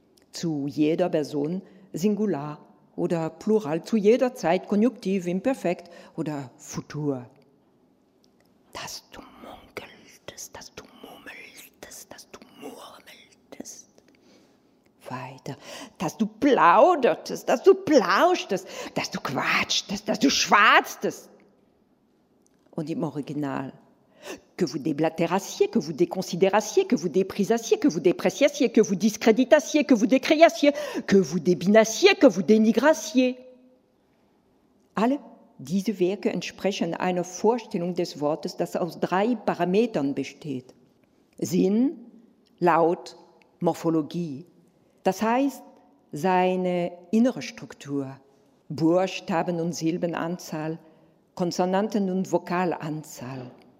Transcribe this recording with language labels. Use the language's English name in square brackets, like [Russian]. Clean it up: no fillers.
[German] Zu jeder Person Singular oder Plural, zu jeder Zeit Konjunktiv, Imperfekt oder Futur. Dass du munkeltest, dass du murmeltest, dass du murmeltest. Weiter, dass du plaudertest, dass du plauschtest, dass du quatschtest, dass du schwatztest. Und im Original, [French] que vous déblatérassiez, que vous déconsidérassiez, que vous déprisassiez, que vous dépréciassiez, que vous discréditassiez, que vous décréassiez, que vous débinassiez, que vous dénigrassiez. [German] Alle diese Werke entsprechen einer Vorstellung des Wortes, das aus drei Parametern besteht. Sinn, Laut, Morphologie. Das heißt, seine innere Struktur, Buchstaben- und Silbenanzahl, Konsonanten- und Vokalanzahl.